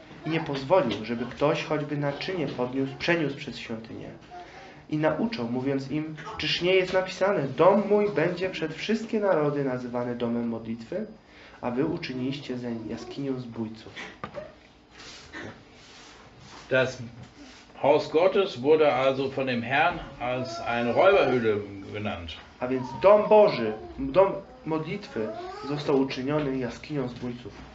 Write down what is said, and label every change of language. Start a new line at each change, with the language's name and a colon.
Polish: I nie pozwolił, żeby ktoś choćby naczynie przeniósł przez świątynię. I nauczał, mówiąc im, czyż nie jest napisane, dom mój będzie przed wszystkie narody nazywany domem modlitwy, a wy uczyniliście zeń jaskinią zbójców.
German: Das Haus Gottes wurde also von dem Herrn als eine Räuberhöhle genannt.
Polish: A więc dom Boży, dom modlitwy został uczyniony jaskinią zbójców.